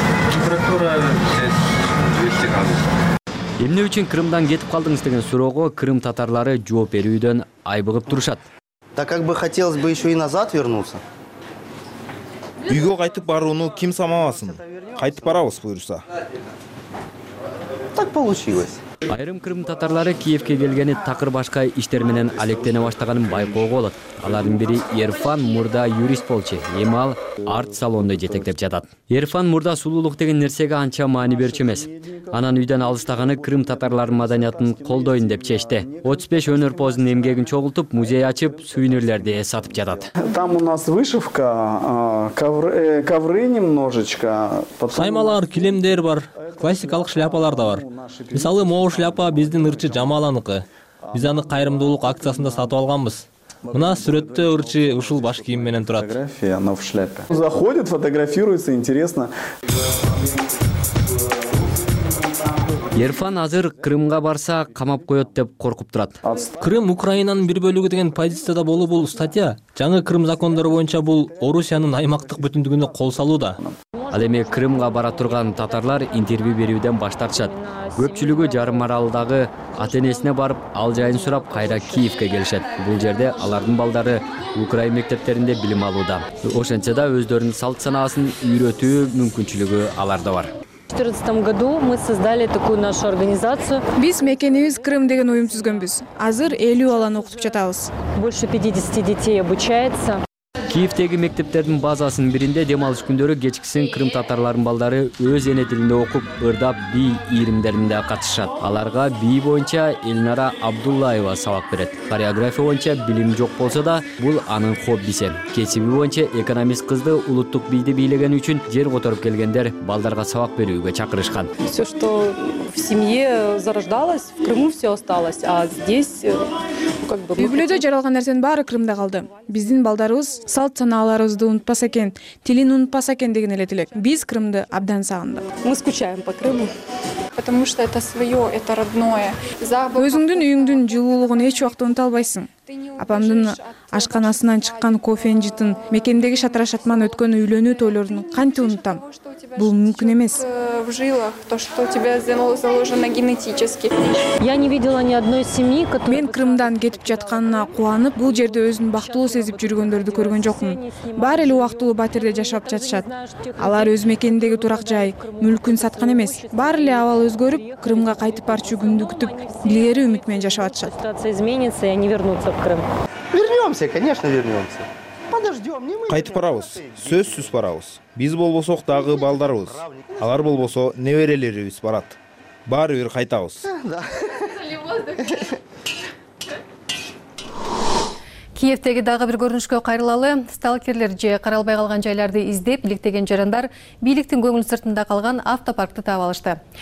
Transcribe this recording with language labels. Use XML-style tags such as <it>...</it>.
<ru>Температура здесь 200 градусов.</ru> <ky>Эмне үчүн Крымдан кетип калдыңыз деген суроого крым татарлары жооп берүүдөн айбыгып турушат.</ky> <ru>Да как бы хотелось бы еще и назад вернуться.</ru> <ky>Үйгө кайтып барууну ким самаласын? Кайтып барабыз буюрса.</ky> <ru>Так получилось.</ru> <ky>Айрым крым татарлары Киевке келгени такыр башка иштер менен алектене баштаганын байкоого болот. Алардын бири Ерфан мурда юрист болчу. Эми ал арт салонду жетектеп жатат. Ерфан мурда сулуулук деген нерсеге анча маани берчү эмес. Анан үйдөн алыстаганы крым татарлардын маданиятын колдойюн деп чечти. 35 өнөрпоздун эмгегин чогултуп, музей ачып, сувенирлерди сатып жатат.</ky> <ru>Там у нас вышивка, ковры немножечко.</ru> <ky>Саймалар, килемдер бар, классикалык шляпалар да бар. Мисалы Моу шляпа биздин ырчы Жамаланыкы. Биз аны кайрымдуулук акциясында сатып алганбыз. Мына сүрөттө ырчы ушул баш кийим менен турат.</ky> <ru>Заходит, фотографируется, интересно.</ru> <ky>Ерфан азыр Крымга барса камап коет деп коркуп турат. Крым Украинанын бир бөлүгү деген позицияда болуу бул статья жаңы Крым закондору боюнча бул Орусиянын аймактык бүтүндүгүнө кол салуу да. Ал эми Крымга бара турган татарлар интервью берүүдөн баш тартышат. Көпчүлүгү жарым аралдагы ата-энесине барып, ал жайын сурап кайра Киевке келишет. Бул жерде алардын балдары Украин мектептеринде билим алууда. Ошентсе да өздөрүнүн салт-санаасын үйрөтүү мүмкүнчүлүгү аларда бар.</ky> <ru>В 2014 году мы создали такую нашу организацию.</ru> <ky>Биз мекенибиз Крым деген уюм түзгөнбүз. Азыр 50 алан окутуп жатабыз.</ky> <ru>Больше 50 детей обучается.</ru> <ky>Киевтеги мектептердин базасынын биринде демалыш күндөрү кечкисин крым татарларынын балдары өз эне тилинде окуп, ырдап, би ийримдеринде катышат. Аларга би боюнча Элнара Абдуллаева сабак берет. Хореография боюнча билим жок болсо да, бул анын хоббиси. Кесиби боюнча экономист кызды улуттук бийди бийлегени үчүн жер которуп келгендер балдарга сабак берүүгө чакырышкан.</ky> <ru>Все, что в семье зарождалось, в Крыму все осталось, а здесь как бы</ru> <ky>Үйлөдө жаралган нерсенин баары Крымда калды. Биздин балдарыбыз салт санааларыбызды унутпаса экен, тилин унутпаса экен деген эле тилек. Биз Крымды абдан сагындык.</ky> <ru>Мы скучаем по Крыму. Потому что это свое, это родное.</ru> <ky>Өзүңдүн үйүңдүн жылуулугун эч убакта унута албайсың. Апамдын ашканасынан чыккан кофен жытын, мекендеги шатыр ашатман өткөн үйлөнүү тойлорун кантип унутам? Бул мүмкүн эмес.</ky> <ru>В жилах то, что у тебя заложено генетически. Я не видела ни одной семьи, которая</ru> <ky>Мен Крымдан кетип жатканына кубанып, бул жерде өзүн бактылуу сезип жүргөндөрдү көргөн жокмун. Баары эле убактылуу батирде жашап жатышат. Алар өз мекенидеги турак жай, мүлкүн саткан эмес. Баары эле абал өзгөрүп, Крымга кайтып барчу күндү күтүп, илгери үмүт менен жашап жатышат.</ky> <ru>Ситуация изменится, я не вернусь в Крым. Вернусь. Вернемся, конечно, вернемся. Подождем, не мы.</ru> <ky>Кайтып барабыз, сөзсүз барабыз. Биз болбосок дагы балдарыбыз. Алар болбосо неберелерибиз барат. Баары бир кайтабыз. Киевтеги дагы бир көрүнүшкө кайрылалы. Сталкерлер же каралбай калган жайларды издеп иликтеген жарандар бийликтин көңүл сыртында калган автопаркты таап алышты.</ky>